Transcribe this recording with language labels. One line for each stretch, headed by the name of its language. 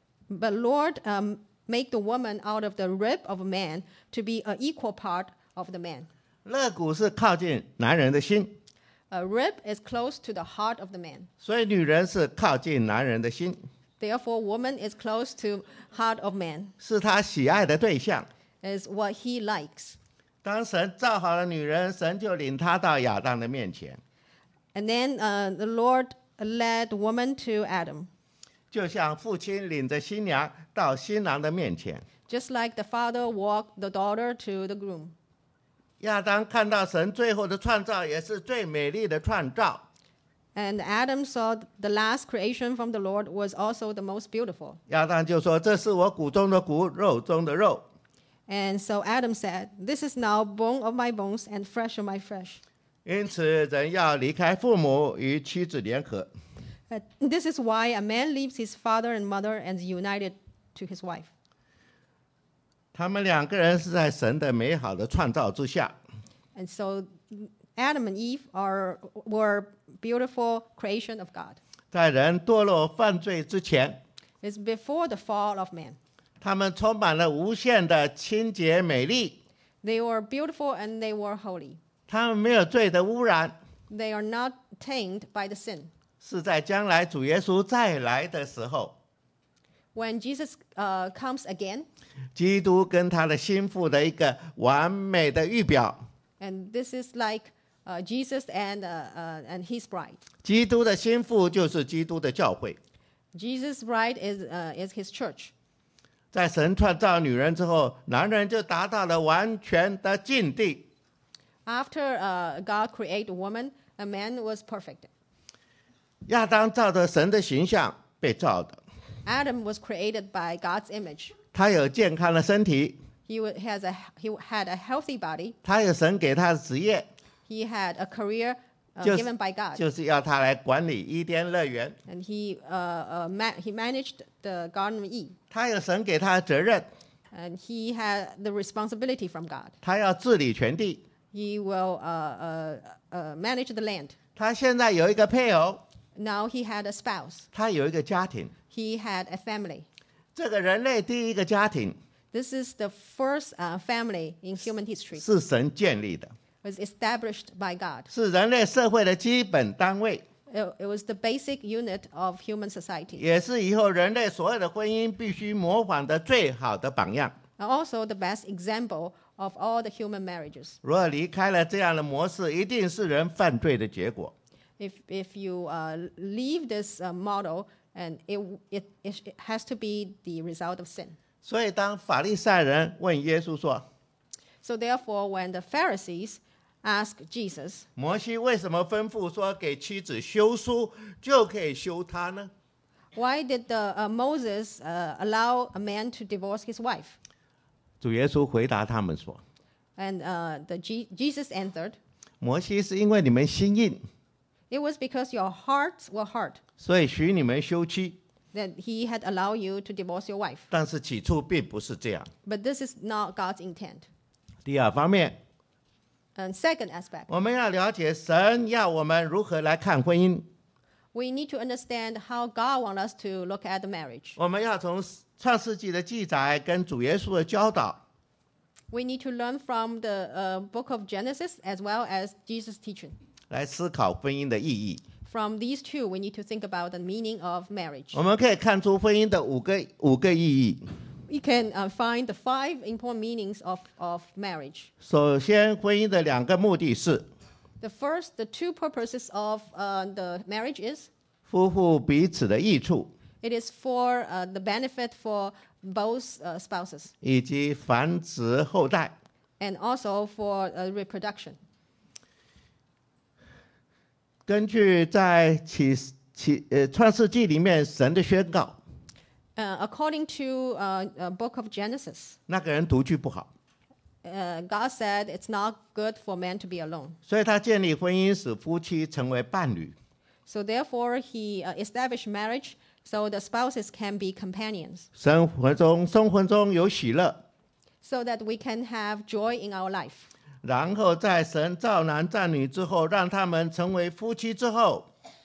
English: But Lord, make the woman out of the rib of a man to be an equal part of the man.
Chinese: 肋骨是靠近男人的心。
English: A rib is close to the heart of the man.
Chinese: 所以女人是靠近男人的心。
English: Therefore, woman is close to heart of man.
Chinese: 是他喜爱的对象。
English: Is what he likes.
Chinese: 当神造好了女人，神就领她到亚当的面前。
English: And then the Lord led the woman to Adam.
Chinese: 就像父亲领着新娘到新郎的面前。
English: Just like the father walked the daughter to the groom.
Chinese: 亚当看到神最后的创造，也是最美丽的创造。
English: And Adam saw the last creation from the Lord was also the most beautiful.
Chinese: 亚当就说，这是我骨中的骨，肉中的肉。
English: And so Adam said, this is now bone of my bones and flesh of my flesh.
Chinese: 因此人要离开父母与妻子联合。
English: This is why a man leaves his father and mother and is united to his wife.
Chinese: 他们两个人是在神的美好的创造之下。
English: And so Adam and Eve were beautiful creation of God.
Chinese: 在人堕落犯罪之前，
English: It's before the fall of man.
Chinese: 他们充满了无限的清洁美丽。
English: They were beautiful and they were holy.
Chinese: 他们没有罪的污染。
English: They are not tainted by the sin.
Chinese: 是在将来主耶稣再来的时候，
English: When Jesus comes again,
Chinese: 基督跟他的心腹的一个完美的预表。
English: And this is like Jesus and his bride.
Chinese: 基督的心腹就是基督的教会。
English: Jesus' bride is his church.
Chinese: 在神创造女人之后，男人就达到了完全的境地。
English: After God created a woman, a man was perfect.
Chinese: 亚当照着神的形象被造的。
English: Adam was created by God's image.
Chinese: 他有健康的身体。
English: He had a healthy body.
Chinese: 他有神给他的职业。
English: He had a career given by God.
Chinese: 就是要他来管理伊甸乐园。
English: And he managed the Garden of Eden.
Chinese: 他有神给他的责任。
English: And he had the responsibility from God.
Chinese: 他要治理全地。
English: He will manage the land.
Chinese: 他现在有一个配偶。
English: Now he had a spouse.
Chinese: 他有一个家庭。
English: He had a family.
Chinese: 这个人类第一个家庭。
English: This is the first family in human history.
Chinese: 是神建立的。
English: Was established by God.
Chinese: 是人类社会的基本单位。
English: It was the basic unit of human society.
Chinese: 也是以后人类所有的婚姻必须模仿的最好的榜样。
English: Also the best example of all the human marriages.
Chinese: 如果离开了这样的模式，一定是人犯罪的结果。
English: If you leave this model, and it has to be the result of sin.
Chinese: 所以当法利赛人问耶稣说，
English: So therefore, when the Pharisees ask Jesus.
Chinese: 摩西为什么吩咐说给妻子休书就可以休她呢？
English: Why did the, Moses, allow a man to divorce his wife?
Chinese: 主耶稣回答他们说。
English: And, Jesus answered.
Chinese: 摩西是因为你们心硬。
English: It was because your hearts were hard.
Chinese: 所以许你们休妻。
English: That he had allowed you to divorce your wife.
Chinese: 但是起初并不是这样。
English: But this is not God's intent.
Chinese: 第二方面。
English: And second aspect,
Chinese: 我们要了解神要我们如何来看婚姻。
English: We need to understand how God wants us to look at the marriage.
Chinese: 我们要从创世纪的记载跟主耶稣的教导。
English: We need to learn from the, book of Genesis as well as Jesus' teaching.
Chinese: 来思考婚姻的意义。
English: From these two, we need to think about the meaning of marriage.
Chinese: 我们可以看出婚姻的五个意义。
English: You can, find the five important meanings of marriage.
Chinese: 首先，婚姻的两个目的是。
English: The first, the two purposes of, the marriage is.
Chinese: 夫妇彼此的益处。
English: It is for, the benefit for both, spouses.
Chinese: 以及繁殖后代。
English: And also for, reproduction.
Chinese: 根据在创世纪里面神的宣告。
English: According to a book of Genesis,
Chinese: 那个人独居不好。
English: God said it's not good for man to be alone.
Chinese: 所以他建立婚姻使夫妻成为伴侣。
English: So therefore he established marriage so the spouses can be companions.
Chinese: 生活中有喜乐。
English: So that we can have joy in our life.
Chinese: 然后在神造男造女之后让他们成为夫妻之后。